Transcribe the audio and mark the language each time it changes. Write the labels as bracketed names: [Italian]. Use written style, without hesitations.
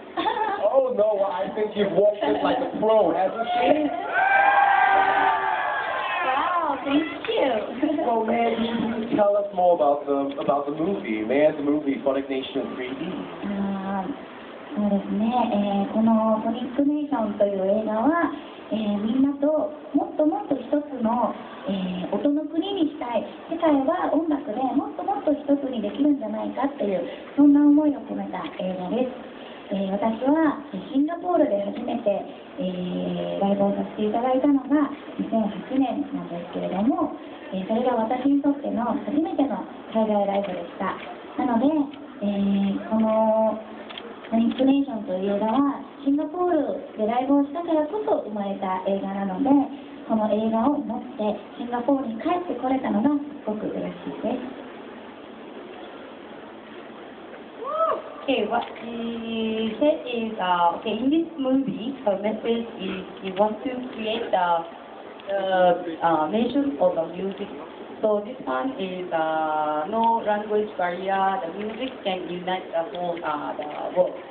[English] Oh no, I think you've walked it like a pro, haven't you? Wow, thank you. So, man, can you tell us more about the movie? Man, the movie, Phonic Nation 3D. [Japanese] そうですね、このフォニックネーションという映画は、みんなともっともっと一つの、音の国にしたい、世界は音楽でもっともっと一つにできるんじゃないかっていう、そんな思いを込めた映画です。私はシンガポールで初めて、ライブをさせていただいたのが2008年なんですけれども、それが私にとっての初めての海外ライブでした。なので、このパニックネーションという映画はシンガポールでライブをしたからこそ生まれた映画なので、この映画を持ってシンガポールに帰ってこれたのがすごく嬉しいです。 [English] Okay, what he said is, okay, in this movie, her message is he wants to create the nation of the music. So this one is no language barrier, the music can unite the whole the world.